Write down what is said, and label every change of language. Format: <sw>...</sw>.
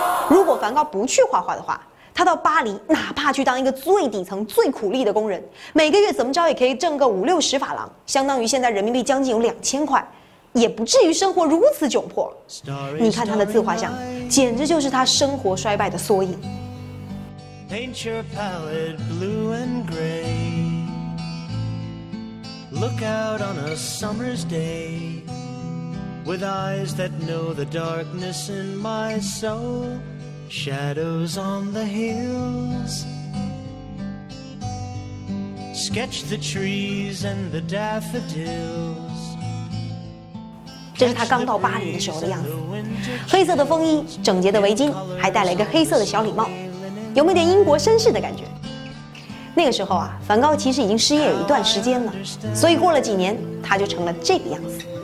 <zh>如果梵高不去画画的话，他到巴黎哪怕去当一个最底层最苦力的工人，每个月怎么着也可以挣个50-60法郎，相当于现在人民币将近有2000块，也不至于生活如此窘迫。你看他的自画像，简直就是他生活衰败的缩影。</zh> <en>Paint your palette blue and gray. Look out on a summer's day with eyes that know the darkness in my soul. Shadows on the hills. Sketch the trees and the daffodils.</en> <zh>这是他刚到巴黎的时候的样子，黑色的风衣，整洁的围巾，还带了一个黑色的小礼帽。有没有点英国绅士的感觉？那个时候啊，梵高其实已经失业有一段时间了，所以过了几年他就成了这个样子。</zh>